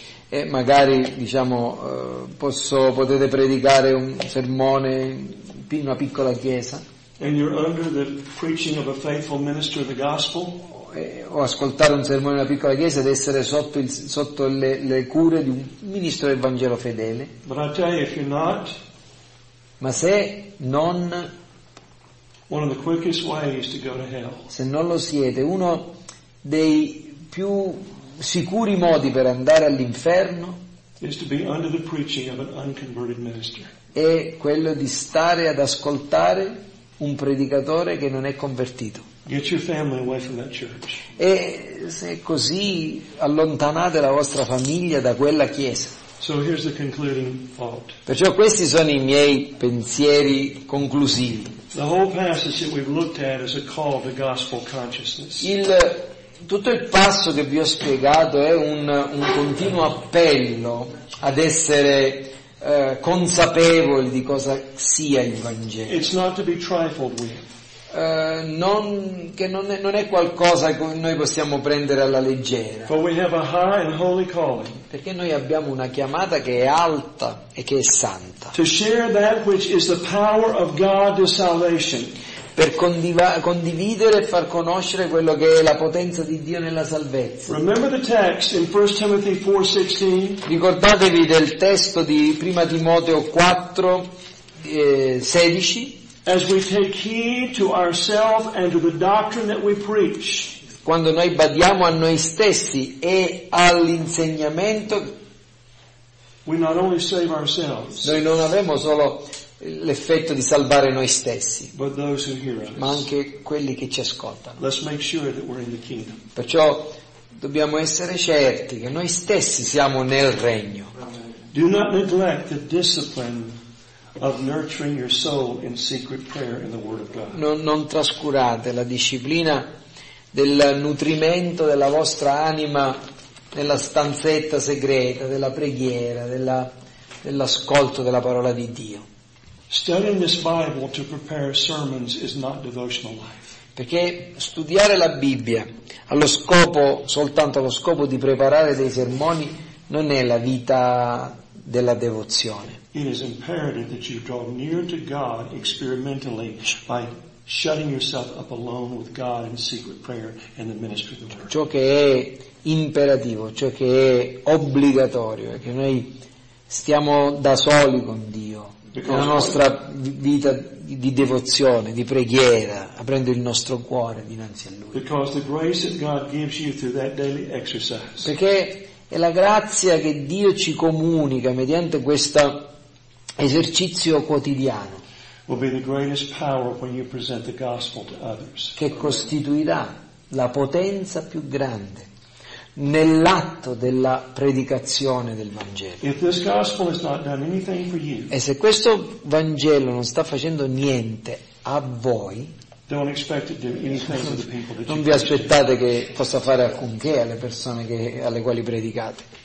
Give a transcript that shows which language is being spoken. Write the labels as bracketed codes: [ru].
[it] E magari diciamo potete predicare un sermone in una piccola chiesa. [en] And you're under the preaching of a faithful minister of the gospel. [it] O ascoltare un sermone in una piccola chiesa ed essere sotto le cure di un ministro del Vangelo fedele. [en] But I tell you, if you're not, [it] ma se non [en] one of the quickest ways to go to hell. [it] Se non lo siete, uno dei più sicuri modi per andare all'inferno [en] is to be under the preaching of an unconverted minister. [it] È quello di stare ad ascoltare un predicatore che non è convertito. [en] Get your family away from that church. [it] E se così allontanate la vostra famiglia da quella chiesa. [en] So here's the concluding thought. [it] Perciò questi sono i miei pensieri conclusivi. [en] The whole passage that we've looked at is a call to gospel consciousness. [it] Tutto il passo che vi ho spiegato è un continuo appello ad essere consapevoli di cosa sia il Vangelo. [en] It's not to be trifled with. [it] Non è qualcosa che noi possiamo prendere alla leggera. [en] For we have a high and holy calling. [it] Perché noi abbiamo una chiamata che è alta e che è santa. [en] To share that which is the power of God to salvation. [it] Per condividere e far conoscere quello che è la potenza di Dio nella salvezza. [en] Remember the text in 1 Timothy 4:16. [it] Ricordatevi del testo di 1 Timoteo 4, 16. [en] As we take heed to ourselves and to the doctrine that we preach. [it] Quando noi badiamo a noi stessi e all'insegnamento [en] We not only save ourselves, [it] noi non avremo solo l'effetto di salvare noi stessi, [en] but those who hear us. [it] Ma anche quelli che ci ascoltano. [en] Let's make sure that we're in the kingdom. [it] Perciò dobbiamo essere certi che noi stessi siamo nel regno. [en] Do not neglect the discipline of nurturing your soul in secret prayer in the Word of God. [it] Non trascurate la disciplina del nutrimento della vostra anima nella stanzetta segreta della preghiera, dell'ascolto della parola di Dio. [en] Studying this Bible to prepare sermons is not devotional life. [it] Perché studiare la Bibbia soltanto allo scopo di preparare dei sermoni non è la vita della devozione. [en] It is imperative that you draw near to God experimentally by shutting yourself up alone with God in secret prayer and the ministry of the Word. [it] Ciò che è imperativo, ciò che è obbligatorio, è che noi stiamo da soli con Dio nella nostra vita di devozione, di preghiera, aprendo il nostro cuore dinanzi a Lui. [en] Because the grace that God gives you through that daily exercise. [it] Perché è la grazia che Dio ci comunica mediante questo esercizio quotidiano. [en] Will be the greatest power when you present the gospel to others. [it] Che costituirà la potenza più grande nell'atto della predicazione del Vangelo. [en] If this gospel has not done anything for you, [it] e se questo Vangelo non sta facendo niente a voi, [en] don't expect it to do anything to the people that you [it] non vi aspettate che possa fare alcunché alle persone che, alle quali predicate.